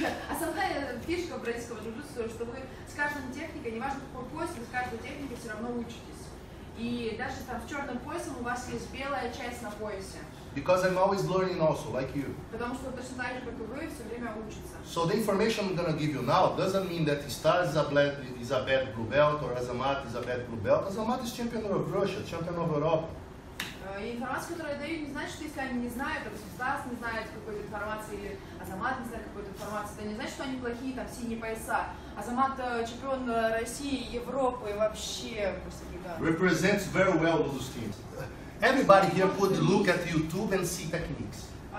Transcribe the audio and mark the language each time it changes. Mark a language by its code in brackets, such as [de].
[ru] Основная фишка бразильского джиу-джитсу, что вы с каждым техникой, неважно какой пояс, вы с каждой техникой все равно учитесь. И даже там в черном поясе у вас есть белая часть на поясе. [en] Because I'm always learning also, like you. [ru] Потому что точно так же, как и вы, все время учится. [en] So the information I'm going to give you now doesn't mean that Stas is a bad blue belt or Azamat is a bad blue belt. Azamat is champion of Russia, champion of Europe. [ru] Информация, которую я даю, не значит, что если они не знают, как Стас не знает какой-то информации, или Азамат не знает какой-то информации, это не значит, что они плохие, там, синие пояса. Азамат чемпион России, Европы и вообще, просто гигант. [en] Represents very well those teams. Everybody here could look at YouTube and see techniques.